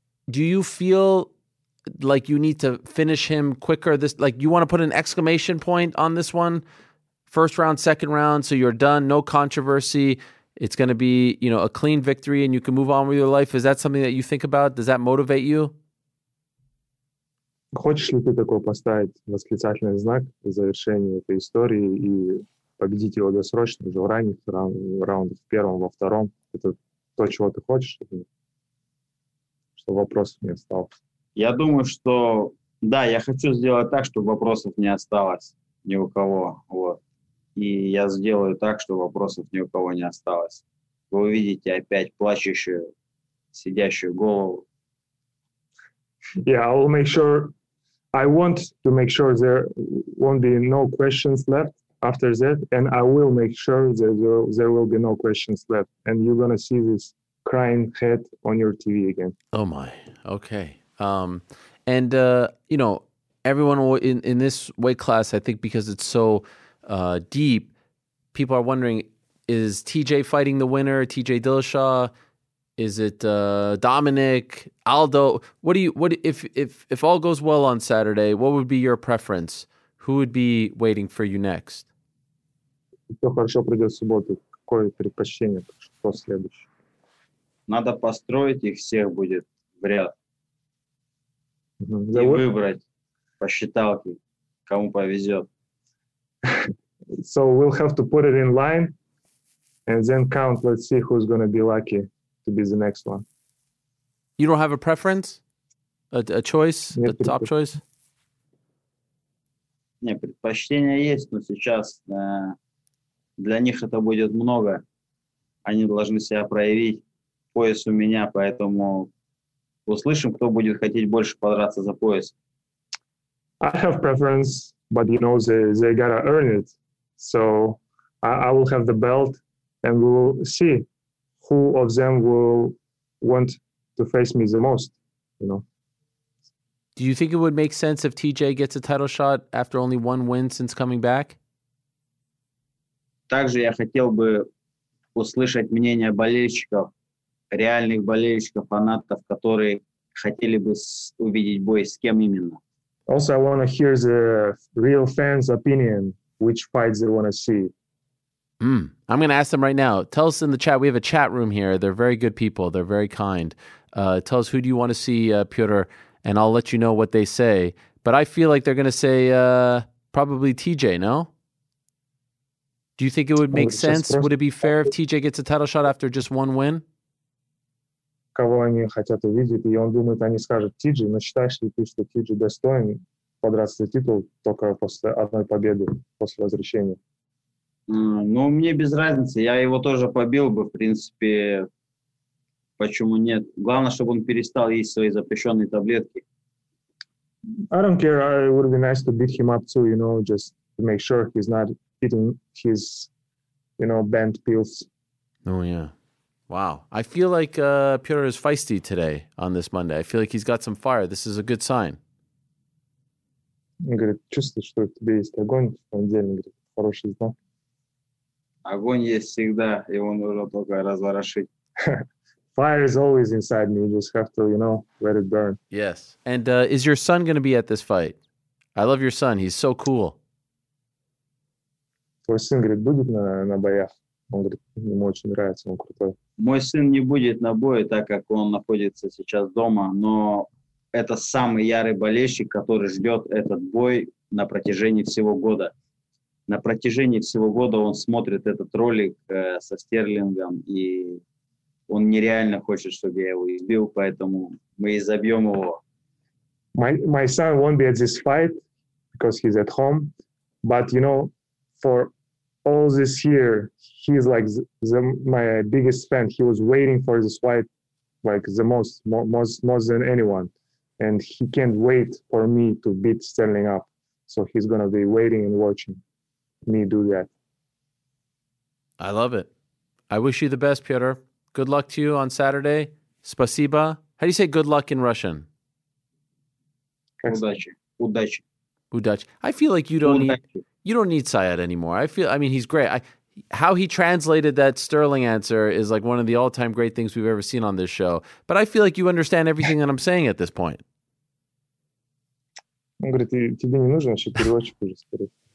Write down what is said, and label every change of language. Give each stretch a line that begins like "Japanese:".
English: Do you feel like you need to finish him quicker? This, like, you want to put an exclamation point on this one? First round, second round, so you're done. No controversy. It's going to be, you know, a clean victory and you can move on with your life. Is that something that you think about? Does that motivate you?
Russian: Хочешь ли ты такой поставить восклицательный знак в завершении этой истории и победить его досрочно уже в ранних раундах, в первом, во втором? Это то, чего ты хочешь? Что вопросов не осталось? Я думаю, что да, я хочу сделать так, чтобы вопросов не осталось ни у кого. Вот. И я сделаю так, что вопросов ни у кого не осталось. Вы увидите опять плачущую, сидящую голову.
English: Yeah, I'll make sure. I want to make sure there won't be no questions left after that, and I will make sure that there will be no questions left, and you're gonna see this crying head on your TV again. Oh my. Okay. You know, everyone in this weight class, I think, because it's so deep, people are wondering, is TJ fighting the winner, TJ Dillashaw? Is it Dominic, Aldo? If all goes well on Saturday, what would be your preference? Who would be waiting for you next?
Russian: Все хорошо пройдет в субботу. Какое предпочтение? Что следующее? Надо построить их всех будет в ряд. И выбрать по считалке, кому повезет.
English: So we'll have to put it in line and then count. Let's see who's going to be lucky to be the next one. You don't have a preference? A choice?
Russian: Нет,
English: a top choice?
Russian: Нет, предпочтения есть, но сейчас для них это будет много. Они должны себя проявить. Пояс у меня, поэтому услышим, кто будет хотеть больше подраться за пояс.
English: I have preference, but you know, they gotta earn it. So I will have the belt and we'll see who of them will want to face me the most, you know. Do you think it would make sense if TJ gets a title shot after only one win since coming back? Также я хотел бы услышать мнение болельщиков, реальных болельщиков, фанатов, которые хотели бы увидеть бой с кем именно. Also, I want to hear the real fans' opinion. Which fights they want to see. I'm going to ask them right now. Tell us in the chat. We have a chat room here. They're very good people. They're very kind. Tell us, who do you want to see, Peter? And I'll let you know what they say. But I feel like they're going to say probably TJ, no? Do you think it would make sense? Would it be fair if TJ gets a title shot after just one win?
Russian: Кого они хотят увидеть, и он думает, они скажут TJ, но считаешь ли ты, что TJ достоин подраться за титул только после одной победы, после возвращения? Ну, мне без разницы. Я его тоже побил бы, в принципе. Почему нет? Главное, чтобы он перестал есть свои запрещенные таблетки.
English: I don't care. It would be nice to beat him up too, you know, just to make sure he's not eating his, you know, banned pills. Oh, yeah. Wow. I feel like Peter is feisty today on this Monday. I feel like he's got some fire. This is a good sign.
Russian: Он говорит, чувствую, что у тебя есть огонь в понедельник. Говорит, хороший знак. Огонь есть всегда, его нужно только разворошить.
English: Fire is always inside me. You just have to, you know, let it burn. Yes. And is your son going to be at this fight? I love your son. He's so cool.
Russian: Твой сын, говорит, будет на боях? Он говорит, ему очень нравится, он крутой. Мой сын не будет на бою, так как он находится сейчас дома, но... Это самый ярый болельщик, который ждет этот бой на протяжении всего года. На протяжении всего года он смотрит этот ролик со Стерлингом, и он нереально хочет, чтобы я его избил, поэтому мы и забьем его.
English: My son won't be at this fight because he's at home, but you know, for all this year, he's like my biggest fan. He was waiting for this fight like the most than anyone. And he can't wait for me to beat Sterling up. So he's going to be waiting and watching me do that. I love it. I wish you the best, Peter. good luck to you on Saturday.
Russian: Спасибо.
English: How do you say good luck in Russian?
Russian: Удачи. Удачи. Удачи.
English: I feel like you don't need Syed anymore. I mean, he's great. How he translated that Sterling answer is like one of the all-time great things we've ever seen on this show. But I feel like you understand everything that I'm saying at this point.
Russian: Он говорит, тебе не нужно еще переводчик уже сказать.